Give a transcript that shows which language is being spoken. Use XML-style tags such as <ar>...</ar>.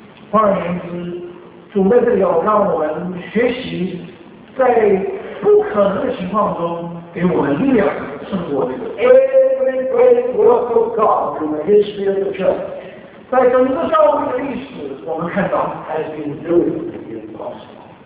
<zh>换言之，主在这里要让我们学习，在不可能的情况中给我们力量，胜过这个。</zh> <en>Every great work of God in the history of the church，</en> <zh>在整个教会的历史，我们看到</zh> <en>has been doing the impossible。</en>